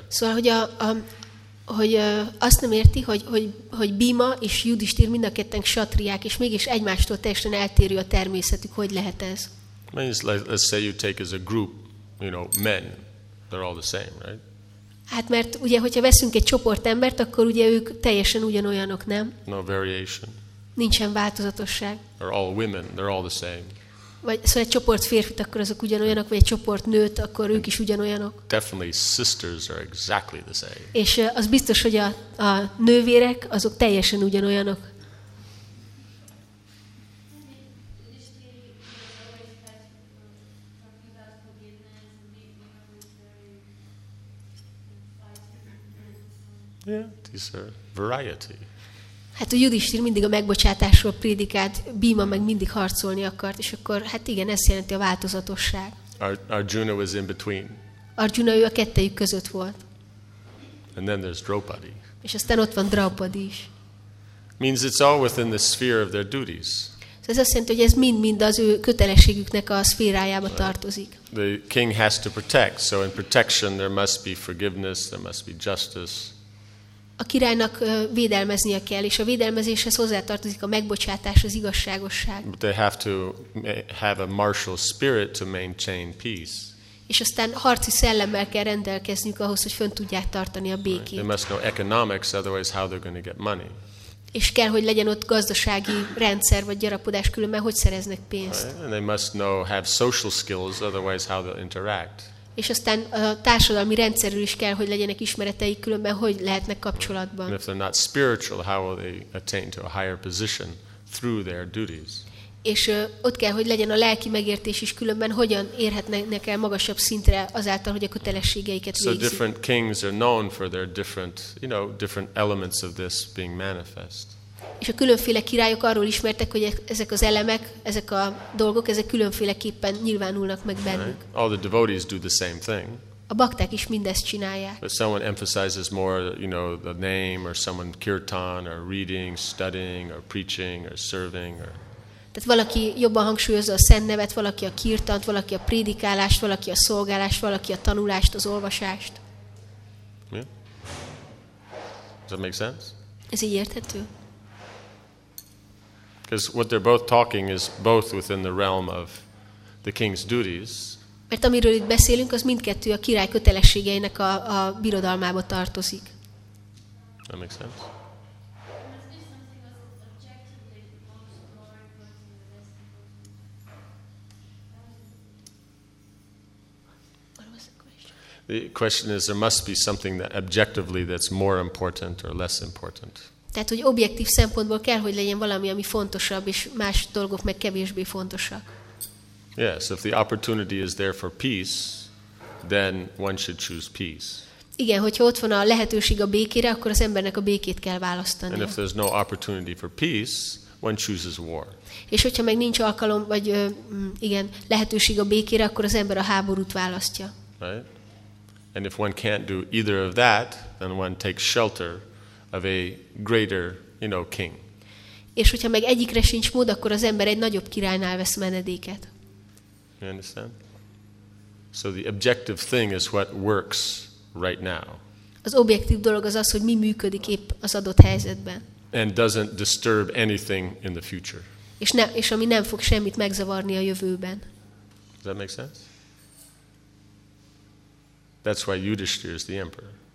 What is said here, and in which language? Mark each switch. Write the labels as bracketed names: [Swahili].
[Hungarian] Szóval, hogy azt nem érti, hogy Bhima és Judhisthira mind a ketten kshatriák, és mégis egymástól teljesen eltérő a természetük. Hogy lehet ez? [English] Means, let's say you take as a group, you know, men, they're all the same, right? [Hungarian] Hát mert ugye, hogyha veszünk egy csoport embert, akkor ugye ők teljesen ugyanolyanok, nem? [English] No variation. [Hungarian] Nincsen változatosság. [English] They're all women, they're all the same. [Hungarian] Vagy szóval egy csoport férfit, akkor azok ugyanolyanok, vagy egy csoport nőt, akkor ők is ugyanolyanok. [English] Definitely sisters are exactly the same. [Hungarian] És az biztos, hogy a nővérek, azok teljesen ugyanolyanok. Mm-hmm. [English] Yeah, it's a variety. [Hungarian] Hát a Judistír mindig a megbocsátásról prédikált, Bhima meg mindig harcolni akart, és akkor hát igen, ez jelenti a változatosság. [English] Arjuna was in between. [Hungarian] Arjuna ő a kettejük között volt. [English] And then there's Draupadi. [Hungarian] És aztán ott van Draupadi is. [English] Means it's all within the sphere of their duties. [Hungarian] Ez azt jelenti, hogy ez mind-mind az ő kötelességüknek a szférájába tartozik. [English] The king has to protect, so in protection there must be forgiveness, there must be justice. [Hungarian] A királynak védelmeznie kell, és a védelmezéshez hozzátartozik a megbocsátás, az igazságosság. [English] But they have to have a martial spirit to maintain peace. [Hungarian] És aztán harci szellemmel kell rendelkezniük ahhoz, hogy fönn tudják tartani a békét. [English] Right. They must know economics, otherwise how they're going to get money. [Hungarian] És kell, hogy legyen ott gazdasági rendszer vagy gyarapodás, különben hogy szereznek pénzt. [English] And they must know, have social skills, otherwise how they'll interact. [Hungarian] És aztán a társadalmi rendszerről is kell, hogy legyenek ismereteik, különben hogy lehetnek kapcsolatban. [English] And if they're not spiritual, how will they attain to a higher position through their duties? [Hungarian] És ott kell, hogy legyen a lelki megértés is, különben hogyan érhetnek el magasabb szintre azáltal, hogy a kötelességeiket végzik. [English] So different kings are known for their different, you know, different elements of this being manifest. [Hungarian] És a különféle királyok arról ismertek, hogy ezek az elemek, ezek a dolgok, ezek különféleképpen nyilvánulnak meg bennük. [English] All the devotees do the same thing. [Hungarian] A bakták is mindezt csinálják. [English] But someone emphasizes more, you know, the name, or someone kirtan, or reading, studying, or preaching, or serving, or... [Hungarian] Tehát valaki jobban hangsúlyozza a szent nevet, valaki a kirtant, valaki a prédikálást, valaki a szolgálást, valaki a tanulást, az olvasást. [English] Yeah. Does that make sense? [Hungarian] Ez így érthető? [English] Because what they're both talking is both within the realm of the king's duties. [Hungarian] Mert amiről itt beszélünk, az mindkettő a király kötelességeinek a birodalmába tartozik. [English] That makes sense? The question is, there must be something that objectively that's more important or less important. [Hungarian] Tehát, hogy objektív szempontból kell, hogy legyen valami, ami fontosabb, és más dolgok meg kevésbé fontosak. [English] Yes, if the opportunity is there for peace, then one should choose peace. [Hungarian] Igen, hogyha ott van a lehetőség a békére, akkor az embernek a békét kell választania. [English] And if there's no opportunity for peace, one chooses war. [Hungarian] És hogyha meg nincs alkalom, vagy igen, lehetőség a békére, akkor az ember a háborút választja. [English] Right? And if one can't do either of that, then one takes shelter of a greater, you know, king. [Hungarian] És hogyha meg egyikre sincs mód, akkor az ember egy nagyobb királynál vesz menedéket. [English] You understand? So the objective thing is what works right now. [Hungarian] Az objektív dolog az az, hogy mi működik épp az adott helyzetben. [English] And doesn't disturb anything in the future. [Hungarian] És ami nem fog semmit megzavarni a jövőben. [English] Does that make sense? That's why Yudhishthira is the emperor.